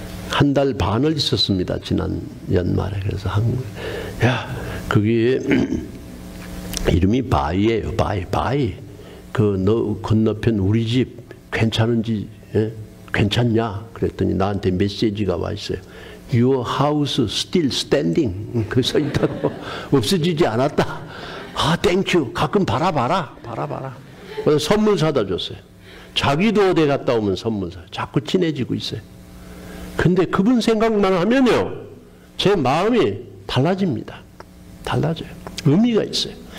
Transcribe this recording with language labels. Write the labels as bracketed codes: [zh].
[ko] 한 달 반을 있었습니다. 지난 연말에. 그래서 한국 야, 그게 이름이 바이예요. 바이. 바이. 그 너 건너편 우리 집 괜찮은지 예? 괜찮냐? 그랬더니 나한테 메시지가 와 있어요. [en] Your house still standing. [ko] 그래서 있다고 없어지지 않았다. 아, 땡큐. 가끔 바라봐라. 바라봐라. 그래서 선물 사다 줬어요. 자기도 어디 갔다 오면 선물 사. 자꾸 친해지고 있어요. 근데 그분 생각만 하면요, 제 마음이 달라집니다. 달라져요. 의미가 있어요.